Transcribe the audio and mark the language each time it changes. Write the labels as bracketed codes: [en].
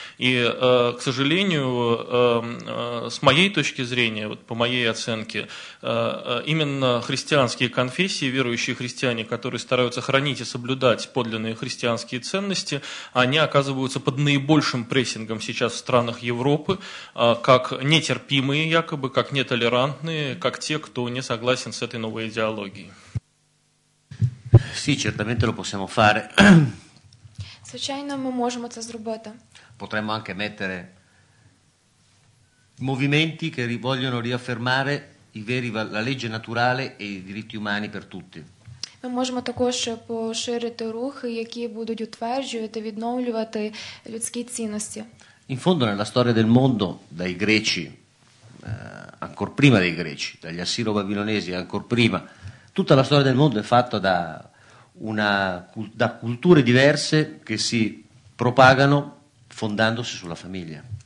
[ru] И, к сожалению, с моей точки зрения, вот по моей оценке, именно христианские конфессии, верующие христиане, которые стараются хранить и соблюдать подлинные христианские ценности, они оказываются под наибольшим прессингом сейчас в странах Европы, как нетерпимые якобы, как нетолерантные, как те, кто не согласен с этой новой идеологией. [it] Sì, certamente lo possiamo fare. [uk] Звичайно, ми можемо це зробити. [it] Potremmo anche mettere movimenti che vogliono riaffermare i veri la legge naturale e i diritti umani per tutti. [uk] Ми можемо також поширити рухи, які будуть утверджувати, відновлювати людські цінності. [it] In fondo nella storia del mondo, dai greci, ancora prima dei greci, dagli assiro-babilonesi ancora prima, tutta la storia del mondo è fatta da una da culture diverse che si propagano fondandosi sulla famiglia.